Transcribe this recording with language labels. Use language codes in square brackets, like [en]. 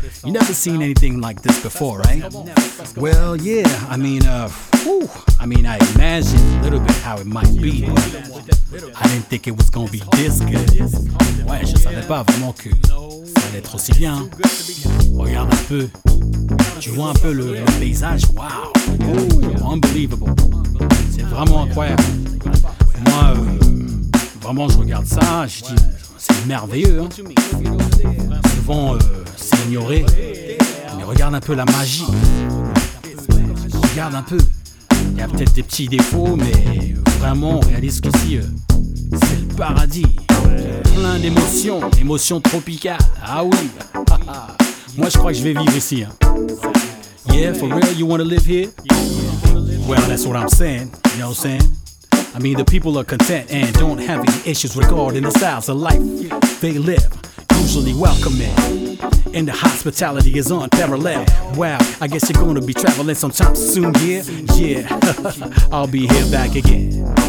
[en] You never seen anything like this before, right? Well, yeah, I imagined a little bit how it might be, but I didn't think it was gonna be this good. [fr] Ouais, je savais pas vraiment que ça allait être aussi bien. Regarde un peu. Tu vois un peu le paysage? Wow! [en] Ooh, unbelievable! [fr] C'est vraiment incroyable! Moi, vraiment, je regarde ça, je dis, c'est merveilleux! Hein. Souvent, c'est ignoré. Mais regarde un peu la magie! Regarde un peu! Il y a peut-être des petits défauts, mais vraiment, on réalise que si, c'est le paradis! Plein d'émotions, émotions tropicales! Ah oui! Moi, je crois que je vais vivre ici. Hein. [en] Yeah, for real, you want to live here? Well, that's what I'm saying. You know what I'm saying? I mean, the people are content and don't have any issues regarding the styles of life they live. Usually welcoming. And the hospitality is unparalleled. Wow, I guess you're gonna be traveling sometime soon, yeah? Yeah, I'll be here back again.